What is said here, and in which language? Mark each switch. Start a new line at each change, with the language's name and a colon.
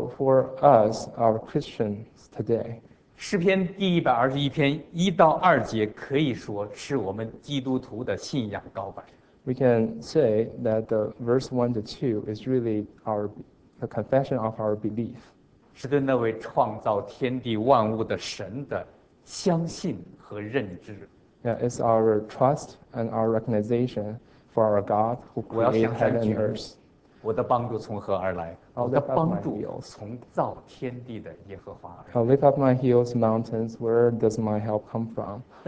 English: for us, our Christians today,
Chinese: 诗篇121篇1到2节可以说是我们基督徒的信仰告白。
English: We can say that the verse 1 to 2 is really the confession of our belief.
Chinese: 是对那位创造天地万物的神的相信和认知。
English: Yeah, it's our trust and our recognition for our God who created heaven and earth.
Chinese: 我的帮助从何而来? 我的帮助从造天地的耶和华而来。
English: I'll lift up my hills, mountains, where does my help come from?